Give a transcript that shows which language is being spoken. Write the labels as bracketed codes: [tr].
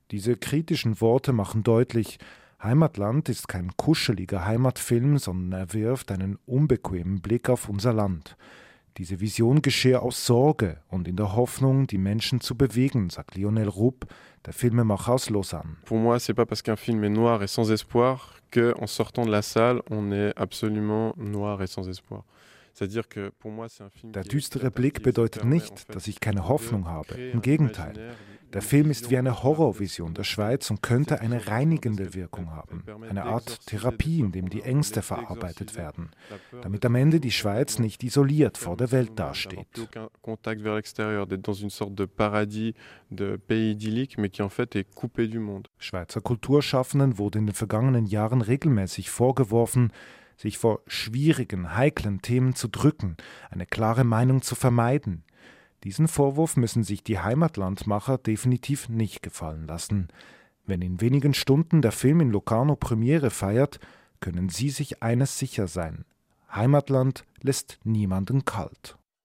[de] Diese kritischen Worte machen deutlich, Heimatland ist kein kuscheliger Heimatfilm, sondern er wirft einen unbequemen Blick auf unser Land. Diese Vision geschehe aus Sorge und in der Hoffnung, die Menschen zu bewegen, sagt Lionel Rupp, der Filmemacher aus Lausanne. [fr] Pour moi, c'est pas parce qu'un film est noir et sans espoir que en sortant de la salle, on est absolument noir et sans espoir. [de] Der düstere Blick bedeutet nicht, dass ich keine Hoffnung habe. Im Gegenteil. Der Film ist wie eine Horrorvision der Schweiz und könnte eine reinigende Wirkung haben. Eine Art Therapie, in dem die Ängste verarbeitet werden. Damit am Ende die Schweiz nicht isoliert vor der Welt dasteht. [fr] Kontakt vers l'extérieur, d'être dans une sorte de paradis, de pays idyllique, mais qui en fait est coupé du monde. [de] Schweizer Kulturschaffenden wurde in den vergangenen Jahren regelmäßig vorgeworfen, sich vor schwierigen, heiklen Themen zu drücken, eine klare Meinung zu vermeiden. Diesen Vorwurf müssen sich die Heimatlandmacher definitiv nicht gefallen lassen. Wenn in wenigen Stunden der Film in Locarno Premiere feiert, können sie sich eines sicher sein: Heimatland lässt niemanden kalt.